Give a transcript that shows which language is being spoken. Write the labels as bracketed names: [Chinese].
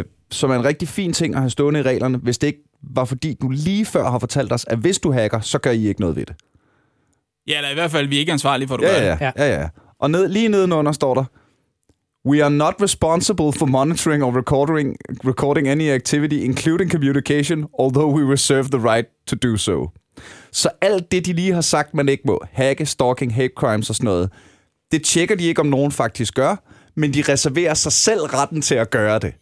[Danish] Som er en rigtig fin ting at have stående i reglerne, hvis det ikke var fordi, du lige før har fortalt os, at hvis du hacker, så gør I ikke noget ved det. Ja, eller i hvert fald, vi er ikke ansvarlige for, at du gør det. Ja. Og lige nedenunder står der, [English] we are not responsible for monitoring or recording any activity, including communication, although we reserve the right to do so. [Danish] Så alt det, de lige har sagt, man ikke må, hacke, stalking, hate crimes og sådan noget, det tjekker de ikke, om nogen faktisk gør, men de reserverer sig selv retten til at gøre det.